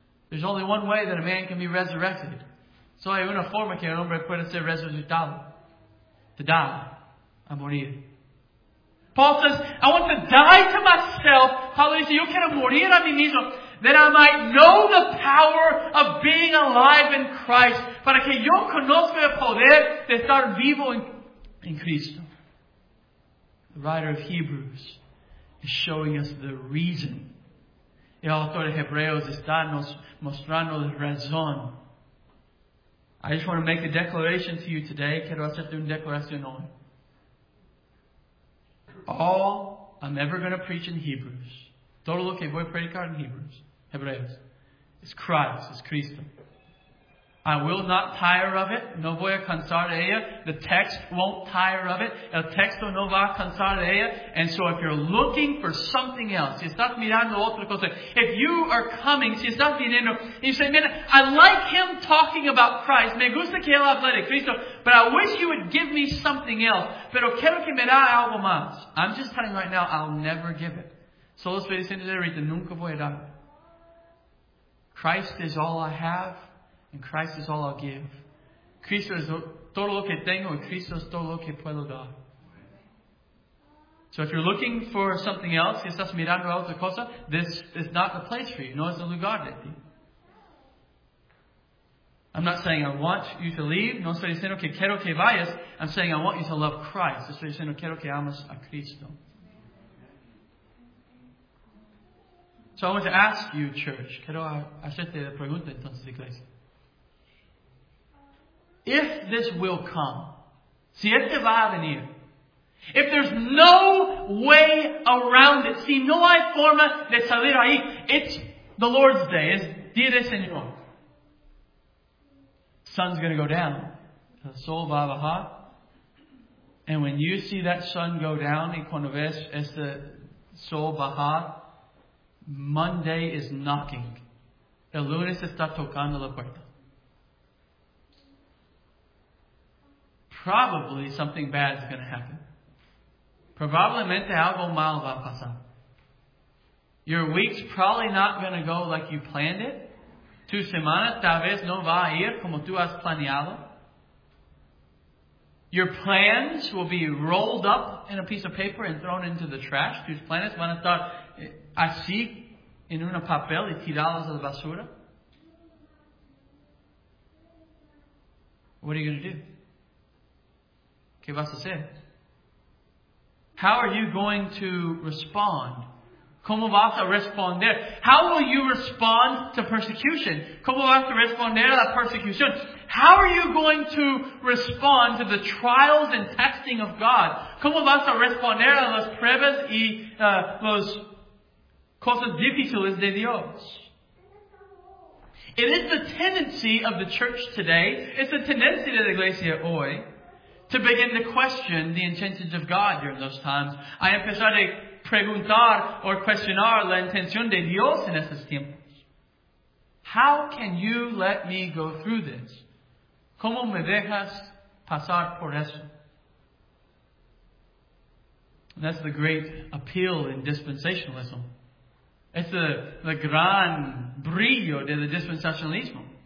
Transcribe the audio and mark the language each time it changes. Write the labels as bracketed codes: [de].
[en] There's only one way that a man can be resurrected. [es] So hay una forma que un hombre puede ser resucitado. [en] To die. [es] A morir. [en] Paul says, I want to die to myself. [es] Pablo dice, yo quiero morir a mí mismo. [en] That I might know the power of being alive in Christ. [es] Para que yo conozca el poder de estar vivo en Cristo. [en] The writer of Hebrews is showing us the reason. [es] El autor de Hebreos está nos mostrando la razón. [en] I just want to make a declaration to you today. [es] Quiero hacerte una declaración hoy. [en] All I'm ever going to preach in Hebrews, [es] todo lo que voy a predicar en Hebrews, Hebreos, [en] is Christ, is Cristo. I will not tire of it. [es] No voy a cansar de ella. [en] The text won't tire of it. [es] El texto no va a cansar de ella. [en] And so if you're looking for something else, [es] si estás mirando otra cosa, [en] if you are coming, [es] si estás viniendo, [en] you say, man, I like him talking about Christ. [es] Me gusta que él hable de Cristo. [en] But I wish you would give me something else. [es] Pero quiero que me da algo más. [en] I'm just telling you right now, I'll never give it. [es] Solo estoy diciendo de ahorita, nunca voy a dar. [en] Christ is all I have. And Christ is all I'll give. [es] Cristo es todo lo que tengo y Cristo es todo lo que puedo dar. [en] So if you're looking for something else, [es] si estás mirando otra cosa, [en] this is not the place for you. [es] No es el lugar de ti. [en] I'm not saying I want you to leave. [es] No estoy diciendo que quiero que vayas. [en] I'm saying I want you to love Christ. [es] Estoy diciendo que quiero que ames a Cristo. [en] So I want to ask you, church. [es] Quiero hacerte la pregunta entonces, iglesia. [en] If this will come, [es] si este va a venir, [en] if there's no way around it, [es] si no hay forma de salir ahí, [en] it's the Lord's day, [es] es Día del Señor. [en] Sun's going to go down. [es] El sol va a bajar. [en] And when you see that sun go down, [es] y cuando ves ese sol bajar, [en] Monday is knocking. [es] El lunes está tocando la puerta. [en] Probably something bad is going to happen. [es] Probablemente algo mal va a pasar. [en] Your week's probably not going to go like you planned it. [es] Tu semana tal vez no va a ir como tú has planeado. [en] Your plans will be rolled up in a piece of paper and thrown into the trash. [es] Tus planes van a estar así en un papel y tirados a la basura. [en] What are you going to do? [es] ¿Qué vas a hacer? [en] How are you going to respond? [es] ¿Cómo vas a responder? [en] How will you respond to persecution? [es] ¿Cómo vas a responder a la persecución? [en] How are you going to respond to the trials and testing of God? [es] ¿Cómo vas a responder a las pruebas y las cosas difíciles de Dios? [en] It is the tendency of the church today, it's the tendency [es] de la iglesia hoy, [en] to begin to question the intentions of God during those times. [es] I empezar a preguntar or cuestionar la intención de Dios en esos tiempos. [en] How can you let me go through this? [es] ¿Cómo me dejas pasar por eso? [en] And that's the great appeal in dispensationalism. It's the [es] gran brillo de [en] the dispensationalismo.